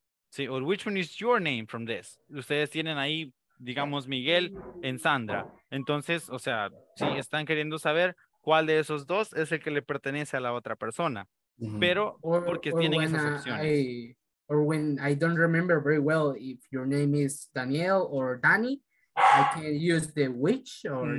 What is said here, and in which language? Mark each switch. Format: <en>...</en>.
<en>Sí, or which one is your name from this?</en> <es>Ustedes tienen ahí, digamos, Miguel en Sandra. Entonces, o sea, sí, están queriendo saber cuál de esos dos es el que le pertenece a la otra persona. Uh-huh. Pero, porque tienen esas opciones.</es> <en>Or when I don't remember very well if your name is Daniel or Danny, I can use the which or...</en>